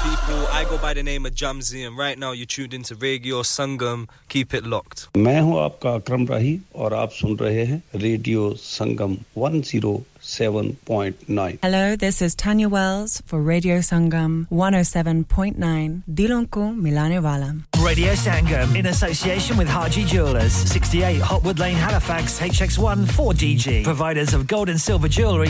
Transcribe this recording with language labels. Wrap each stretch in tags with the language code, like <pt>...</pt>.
<en>Jamzi, and right now you're tuned into Radio Sangam. Keep it locked.</en> <hi>मैं हूं आपका अकरम राही और आप सुन रहे हैं Radio Sangam 107.9.</hi> <en>Hello, this is Tanya Wells for Radio Sangam 107.9.</en> <hi>Dilon ko milane wala.</hi> <en>Radio Sangam in association with Haji Jewelers, 68 Hotwood Lane, Halifax, HX1 4DG. Providers of gold and silver jewellery.</en>